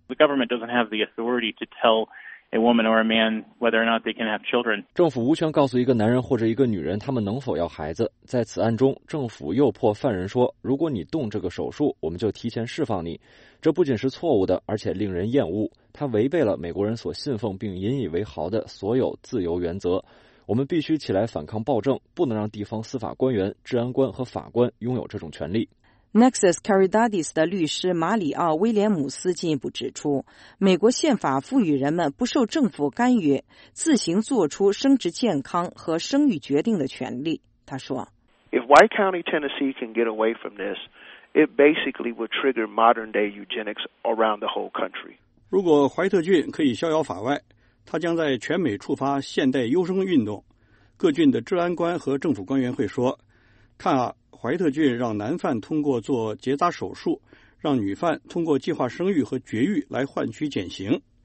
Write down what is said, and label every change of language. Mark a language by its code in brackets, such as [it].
[en] The government doesn't have the authority to tell a woman or a man whether or not they can have children. [zh] 政府无权告诉一个男人或者一个女人他们能否要孩子。在此案中，政府诱迫犯人说，如果你动这个手术，我们就提前释放你。这不仅是错误的，而且令人厌恶。它违背了美国人所信奉并引以为豪的所有自由原则。我们必须起来反抗暴政，不能让地方司法官员、治安官和法官拥有这种权利。 Nexus Caridades 的律师马里奥·威廉姆斯进一步指出，美国宪法赋予人们不受政府干预自行做出生殖健康和生育决定的权利。他说 [en] If White County, Tennessee can get away from this, it basically would trigger modern day eugenics around the whole country. [zh] 如果怀特郡可以逍遥法外，他将在全美触发现代优生运动。各郡的治安官和政府官员会说，看啊，怀特郡让男犯通过做结扎手术，让女犯通过计划生育和绝育来换取减刑。